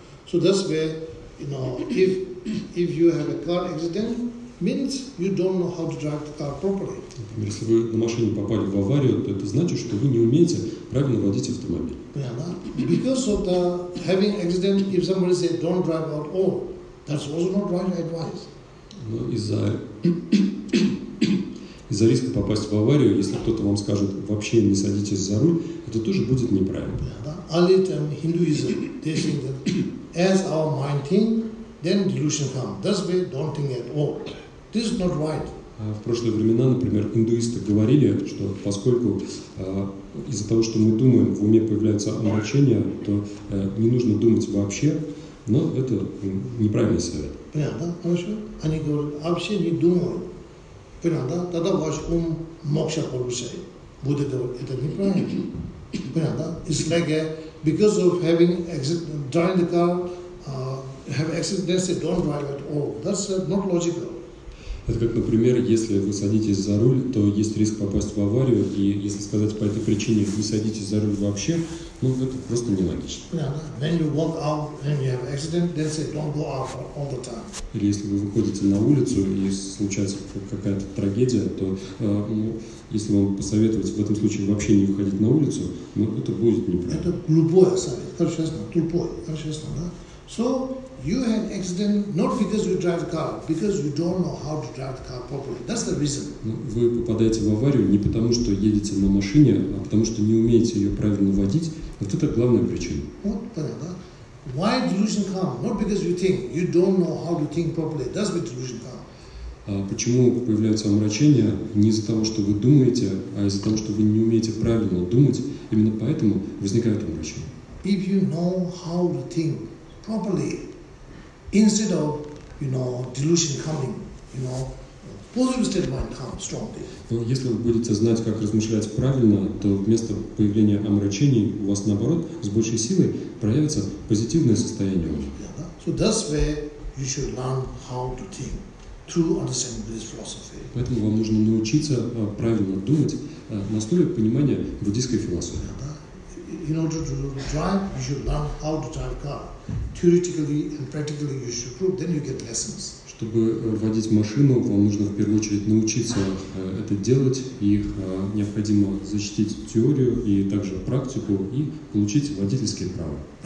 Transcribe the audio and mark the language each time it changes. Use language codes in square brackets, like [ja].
[en] So that's where, you know, if you have a car accident, means you don't know how to drive the car properly. [ru] Например, если вы на машине попали в аварию, то это значит, что вы не умеете правильно водить автомобиль. [en] Because of the having accident, if somebody says don't drive at all, that's also not right advice. [ru] Но из-за риска попасть в аварию, если кто-то вам скажет вообще не садитесь за руль, это тоже будет неправильно. [en] Early term Hinduism, they think that as our mind think, then delusion come. That's why don't think at all. This is not right. [ru] В прошлые времена, например, индуисты говорили, что поскольку из-за того, что мы думаем, в уме появляются омрачения, то не нужно думать вообще, но это неправильный совет. Понятно, да? Хорошо? Они говорят, вообще не думай. Понятно, да? Тогда ваш ум мокша получает. Будет говорить, это неправильно. Понятно, да? [en] It's like a, because of having driving the car, have accident, they don't drive at all. That's not logical. [ru] Это как, например, если вы садитесь за руль, то есть риск попасть в аварию, и если сказать по этой причине, не садитесь за руль вообще, ну, это просто нелогично. [en] When you walk out and you have accident, then say don't go out all the time. [ru] Или если вы выходите на улицу и случается какая-то трагедия, то если вам посоветовать в этом случае вообще не выходить на улицу, ну, это будет неправильно. Это глупое совет, честно, тупой, честно, да? [en] So, you had accident not because you drive car, because you don't know how to drive the car properly. That's the reason. [ru] Вы попадаете в аварию не потому, что едете на машине, а потому, что не умеете ее правильно водить. Вот это главная причина. Вот, понятно, да? [en] Why delusion come? Not because you think. You don't know how to think properly. That's why delusion come. [ru] Почему появляются омрачения? Не из-за того, что вы думаете, а из-за того, что вы не умеете правильно думать. Именно поэтому возникают омрачения. [en] If you know how to think properly, instead of, you know, delusion coming, you know, positive state mind comes strongly. [ru] Но если вы будете знать, как размышлять правильно, то вместо появления омрачений у вас наоборот с большей силой проявится позитивное состояние. [en] Yeah, so that's where you should learn how to think through understanding Buddhist philosophy. [ru] Поэтому вам нужно научиться правильно думать на основе понимания буддийской философии. [en] In order to drive, you should learn how to drive a car. Theoretically and practically, you should prove. Then you get lessons. [ru] Чтобы водить машину, вам нужно в первую очередь научиться это делать. И необходимо защитить теорию и также практику и получить водительские права.